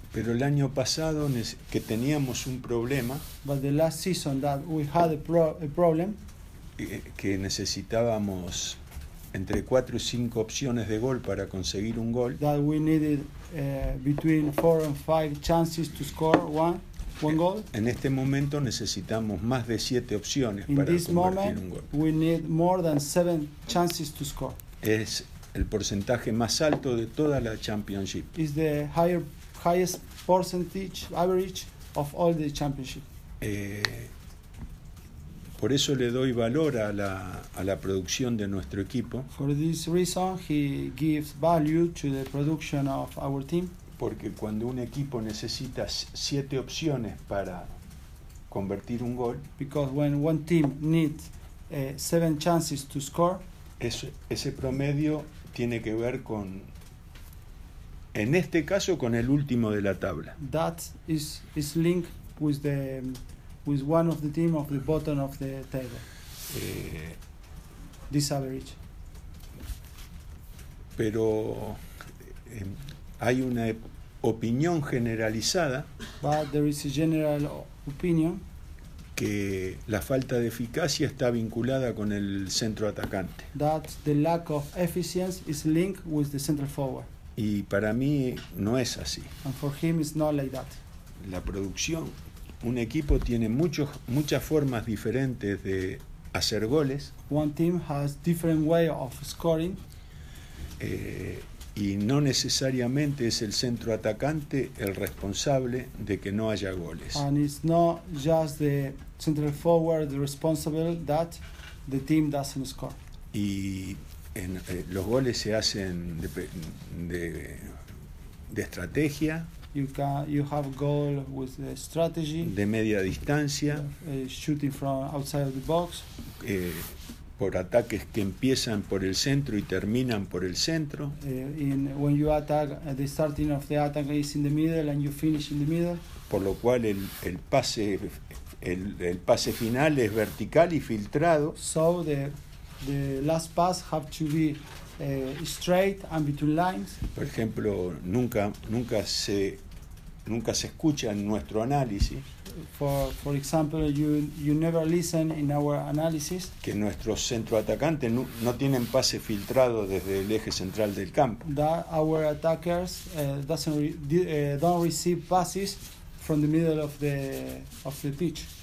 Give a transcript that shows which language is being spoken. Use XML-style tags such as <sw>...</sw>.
<es>Pero el año pasado que teníamos un problema.</es> <en>But the last season that we had a problem.</en> <es>Que necesitábamos entre 4 y 5 opciones de gol para conseguir un gol.</es> <en>That we needed between 4 and 5 chances to score one goal.</en> <es>En este momento necesitamos más de 7 opciones para convertir</es> <en>moment,</en> <es>un gol.</es> <en>We need more than 7 chances to score.</en> <es>Es el porcentaje más alto de toda la championship.</es> <en>Is the highest percentage average of all the championship.</en> <es>Por eso le doy valor a la producción de nuestro equipo.</es> <en>For this reason he gives value to the production of our team.</en> <es>Porque cuando un equipo necesita 7 opciones para convertir un gol.</es> <en>Because when one team needs 7 chances to score.</en> <es>Ese promedio tiene que ver con, en este caso, con el último de la tabla.</es> <en>That is linked with the with one of the team of the bottom of the table. This average.</en> <es>Pero hay una opinión generalizada.</es> <en>But there is a general opinion.</en> <es>Que la falta de eficacia está vinculada con el centro atacante.</es> <en>That the lack of efficiency is linked with the central forward.</en> <es>Y para mí no es así.</es> <en>And for him it's not like that.</en> <es>La producción, un equipo tiene muchas formas diferentes de hacer goles.</es> <en>One team has different way of scoring.</en> <es>Y no necesariamente es el centro atacante el responsable de que no haya goles.</es> <en>And it's not just the central forward responsible that the team doesn't score.</en> <es>Y en, los goles se hacen de estrategia.</es> <en>You have goal with the strategy.</en> <es>De media distancia.</es> <en>Shooting from outside of the box.</en> <es>Por ataques que empiezan por el centro y terminan por el centro.</es> <en>When you attack, the starting of the attack is in the middle and you finish in the middle.</en> <es>Por lo cual el pase final es vertical y filtrado.</es> <en>So the last pass have to be straight and between lines.</en> <es>Por ejemplo, nunca se escucha en nuestro análisis.</es> <en>For example, you never listen in our analysis.</en> <es>Que nuestros centroatacantes no tienen pase filtrado desde el eje central del campo.</es> <en>That our attackers don't receive passes from the middle of the pitch.</en>